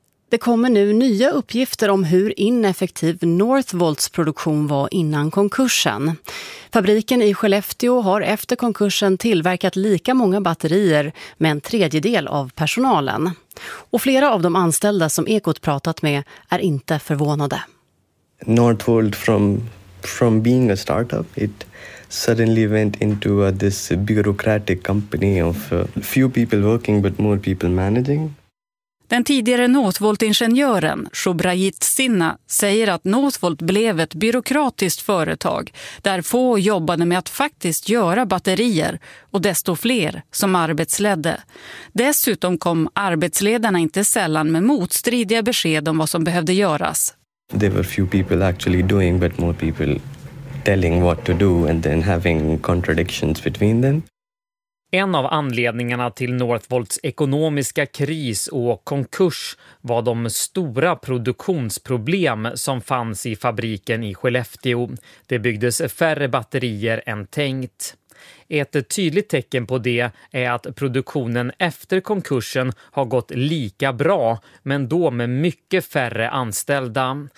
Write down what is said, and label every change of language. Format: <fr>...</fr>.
<sv>Det kommer nu nya uppgifter om hur ineffektiv Northvolts produktion var innan konkursen. Fabriken i Skellefteå har efter konkursen tillverkat lika många batterier med en tredjedel av personalen. Och flera av de anställda som Ekot pratat med är inte förvånade.</sv> <en>Northvolt from being a startup, it suddenly went into this bureaucratic company of few people working but more people managing.</en> <sv>Den tidigare Northvolt-ingenjören Shobrajit Sinna säger att Northvolt blev ett byråkratiskt företag där få jobbade med att faktiskt göra batterier och desto fler som arbetsledde. Dessutom kom arbetsledarna inte sällan med motstridiga besked om vad som behövde göras.</sv> <en>There were few people actually doing but more people telling what to do and then having contradictions between them.</en> <sv>En av anledningarna till Northvolts ekonomiska kris och konkurs var de stora produktionsproblem som fanns i fabriken i Skellefteå. Det byggdes färre batterier än tänkt. Ett tydligt tecken på det är att produktionen efter konkursen har gått lika bra, men då med mycket färre anställda.</sv>